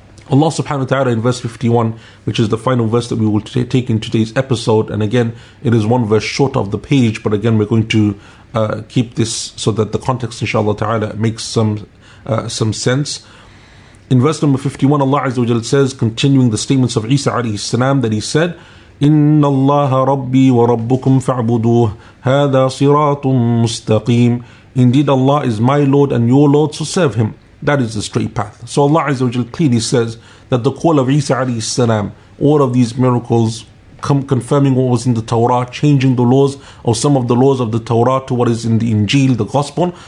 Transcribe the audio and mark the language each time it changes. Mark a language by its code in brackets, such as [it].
[en] Allah subhanahu wa ta'ala in verse 51, which is the final verse that we will take in today's episode, and again, it is one verse short of the page, but again, we're going to keep this so that the context, inshallah ta'ala, makes some sense. In verse number 51, Allah Azza wa Jal says, continuing the statements of Isa alayhi salam, that he said, [ar] إن الله ربي وربكم فاعبدوه هذا صراط مستقيم. [en] Indeed Allah is my Lord and your Lord, so serve him. That is the straight path. So Allah Azza wa Jal clearly says that the call of Isa alayhi salam, all of these miracles confirming what was in the Torah, changing the laws or some of the laws of the Torah to what is in the Injil, the Gospel.